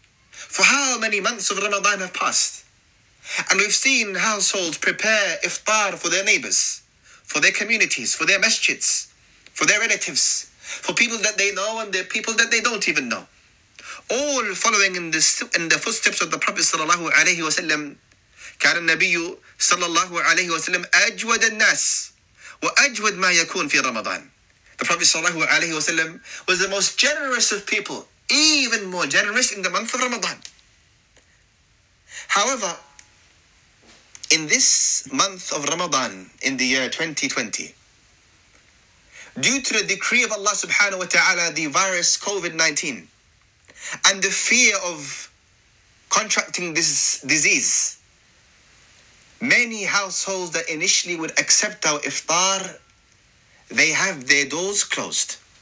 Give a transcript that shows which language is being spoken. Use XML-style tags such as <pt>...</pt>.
<en>For how many months of Ramadan have passed? And we've seen households prepare iftar for their neighbors, for their communities, for their masjids, for their relatives, for people that they know and the people that they don't even know. All following in the footsteps of the Prophet sallallahu alayhi wa sallam.</en> <ar>كان النبي صلى الله عليه وسلم أجود الناس وأجود ما يكون في رمضان.</ar> <en>The Prophet</en> <ar>صلى الله عليه وسلم</ar> <en>was the most generous of people, even more generous in the month of Ramadan. However, in this month of Ramadan in the year 2020, due to the decree of Allah subhanahu wa ta'ala, the virus COVID-19 and the fear of contracting this disease, many households that initially would accept our iftar, they have their doors closed.</en>